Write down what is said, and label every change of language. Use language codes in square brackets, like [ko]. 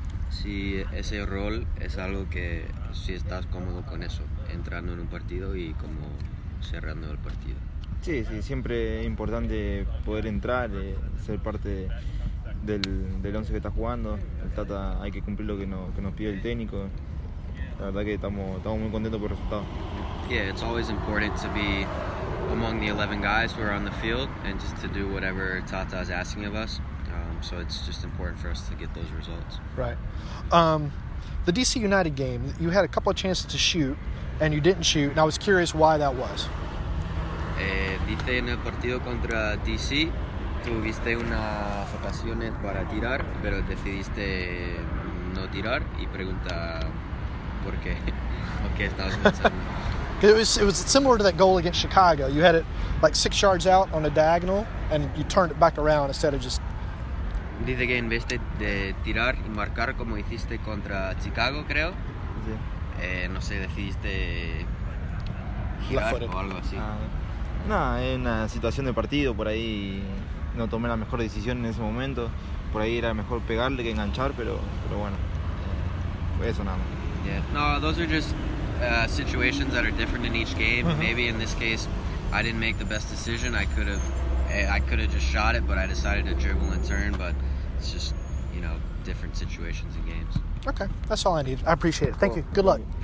[es] Sí, ese rol es algo que si estás cómodo con eso, entrando en un partido y como cerrando el partido. Sí, siempre es importante poder entrar, ser parte del once que está jugando. Hay que cumplir lo que nos pide el técnico. La verdad que estamos muy contentos por el resultado. [en] Yeah, it's always important to be among the 11 guys who are on the field and just to do whatever Tata is asking of us. So it's just important for us to get those results. Right. The DC United game, you had a couple of chances to shoot and you didn't shoot, and I was curious why that was. [es] Dice en el partido contra DC, tuviste unas ocasiones para tirar, pero decidiste no tirar, y pregunta por qué, o qué estabas pensando. [en] It was similar to that goal against Chicago. You had it like 6 yards out on a diagonal, and you turned it back around instead of just... [es] Dice que en vez de tirar y marcar como hiciste contra Chicago, creo, decidiste girar o algo así. Es una situación de partido, por ahí no tomé la mejor decisión en ese momento. Por ahí era mejor pegarle que enganchar, pero bueno, fue eso nada más. [en] Yeah. No, those are just situations that are different in each game. Uh-huh. Maybe in this case, I didn't make the best decision. I could have just shot it, but I decided to dribble and turn. But it's just, different situations in games. Okay, that's all I need. I appreciate it. Thank cool. you. Good luck.